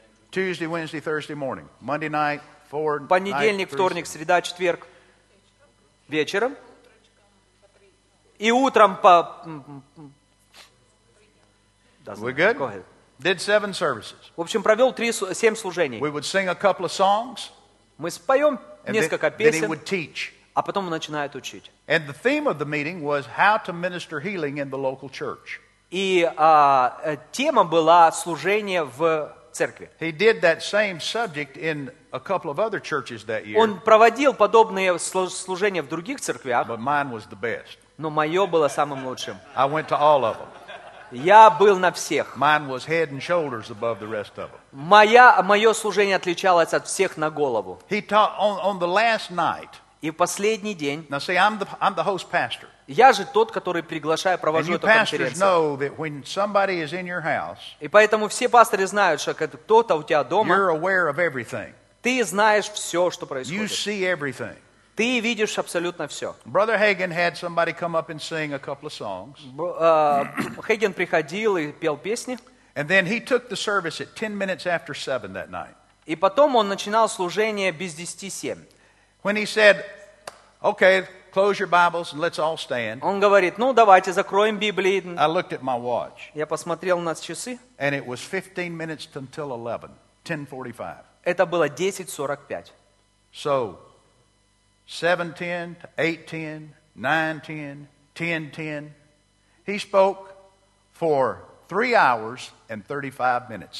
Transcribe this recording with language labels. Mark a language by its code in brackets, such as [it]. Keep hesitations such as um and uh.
[en] Tuesday, Wednesday, Thursday morning. Monday night, [ru] понедельник, вторник, среда, четверг вечером и утром по... [en] We good? Go ahead. Did seven services. [ru] В общем, провел три, семь служений. [en] We would sing a couple of songs, [ru] Мы споем несколько [en] then, песен, then he would teach. [ru] а потом он начинает учить. [en] And the theme of the meeting was how to minister healing in the local church. [ru] И uh, тема была служение в церкви. [en] He did that same subject in a couple of other churches that year. [ru] Он проводил подобные служения в других церквях. [en] But mine was the best. [ru] Но мое было самым лучшим. [en] I went to all of them. [ru] Я был на всех. [en] Mine was head and shoulders above the rest of them. [ru] Моя, мое служение отличалось от всех на голову. [en] He taught on, on the last night. [ru] И в последний день. [en] Now see, I'm the, I'm the host pastor. [ru] Я же тот, который приглашаю, провожу you, эту конференцию. House, и поэтому все пасторы знают, что кто-то у тебя дома, ты знаешь все, что происходит. Ты видишь абсолютно все. Хейген uh, приходил и пел песни. [en] And then he took the service at 10 minutes after 7 that night. [ru] И потом он начинал служение без 10:07. [en] When he said, "Okay, Close your Bibles and let's all stand. [ru] Говорит, ну, [en] I looked at my watch. And it was 15 minutes until 11, 10:45. [ru] Это было 10:45. [en] So, 7:10 to 8:10, 9:10, 10, 10:10, he spoke for three hours and 35 minutes.